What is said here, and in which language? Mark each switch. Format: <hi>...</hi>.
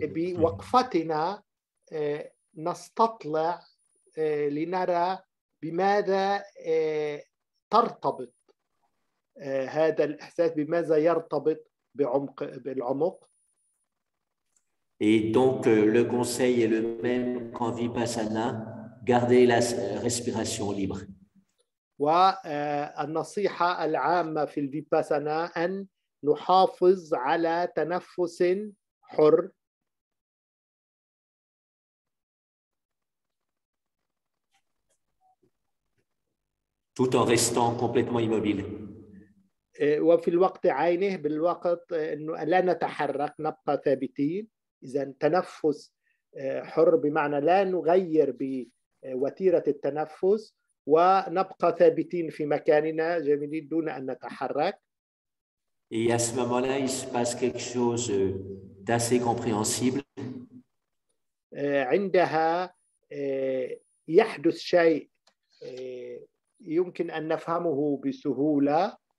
<ar>بوقفتنا نستطلع لنرى بماذا ترتبط هذا الإحساس بماذا يرتبط بعمق بالعمق.</ar> <fr>Et donc, le conseil est le même qu'en vipassana, garder la respiration libre.</fr> <ar>والنصيحة العامة في الفيباسانا أن نحافظ على تنفس حر.</ar> <fr>Tout en restant complètement immobile.</fr> <ar>وفي الوقت عينه بالوقت أنه لا نتحرك نبقى ثابتين. إذن تنفس حر بمعنى لا نغير بوتيرة التنفس ونبقى ثابتين في مكاننا جميلين دون أن نتحرك.</ar> <fr>Et à ce moment-là, il se passe quelque chose d'assez compréhensible.</fr> <ar>عندها يحدث شيء يمكن أن نفهمه بسهولة.</ar>